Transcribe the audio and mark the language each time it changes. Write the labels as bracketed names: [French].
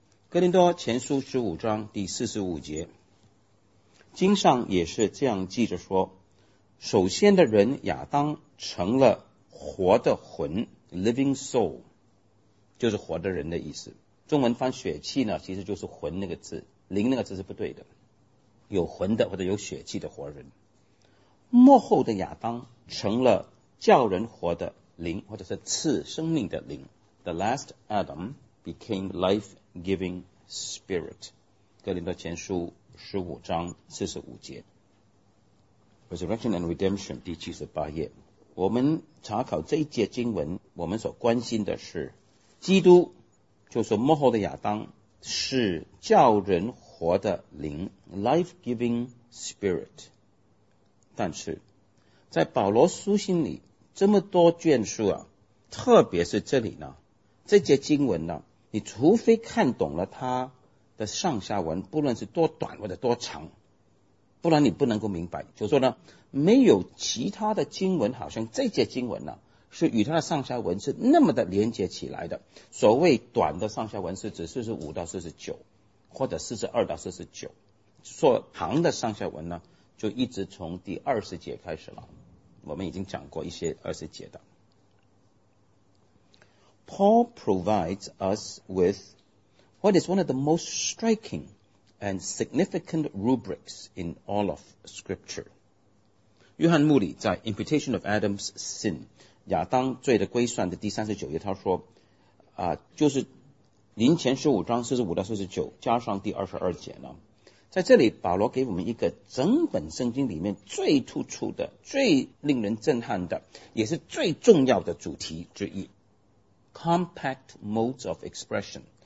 [Chinese] 哥林多前书15章第45节，经上也是这样记着说，首先的人亚当成了活的魂 [English] living soul， [Chinese] 就是活的人的意思。中文翻血气呢，其实就是魂那个字，灵那个字是不对的，有魂的或者有血气的活人。末后的亚当成了叫人活的灵，或者是赐生命的灵。 [English] The last Adam became life-giving spirit， [Chinese] 哥林多前书15章45节。 Resurrection and Redemption 第78页，我们查考这一节经文，我们所关心的是基督，就是末后的亚当，是叫人活的灵 [English] life-giving spirit。 [Chinese] 但是在保罗书信里这么多卷书啊，特别是这里呢，这节经文呢，你除非看懂了它的上下文，不论是多短或者多长，不然你不能够明白。就说呢，没有其他的经文好像这节经文呢是与它的上下文是那么的连接起来的。所谓短的上下文是指45到49，或者42到49，说长的上下文呢，就一直从第20节开始了。我们已经讲过一些20节的。 [English] Paul provides us with what is one of the most striking and significant rubrics in all of Scripture。 [Chinese] 约翰穆里在《Imputation of Adam's Sin》亚当罪的归算的第39页，他说啊，就是林前15章45到49加上第22节呢，在这里保罗给我们一个整本圣经里面最突出的、最令人震撼的也是最重要的主题之一， [English] compact modes of expression。